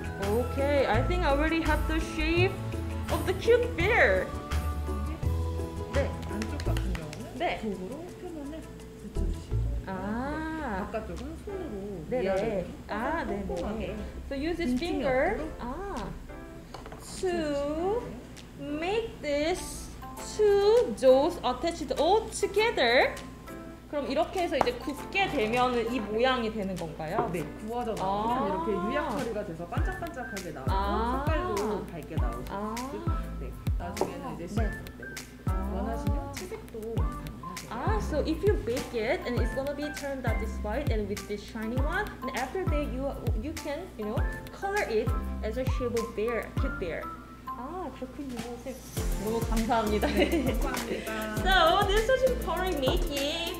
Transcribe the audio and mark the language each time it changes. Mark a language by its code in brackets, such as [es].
[en] Okay, I think I already have the shape of the cute bear. [ko] 이게 안쪽 같은 경우는 네. 도구로 표면을 붙여주시고 아. 바깥쪽은 손으로 네네. 아, 네네. 꼼꼼하게. [en] So use this finger 아. to make this two doughs attached all together. [ko] 그럼 이렇게 해서 이제 굳게 되면 이 모양이 되는 건가요? 네, 구워져 나오면 아~ 이렇게 유약처리가 돼서 반짝반짝하게 나오고 아~ 색깔도 밝게 나오고 아~ 네, 나중에는 이제 원하시면 채색도 [en] 아, so if you bake it and it's gonna be turned out this white and with this shiny one, and after that you can, you know, color it as a shape of bear, cute bear. [ko] 아, 그렇군요. 너무 감사합니다. 네, 감사합니다. [en] So, this was pottery making.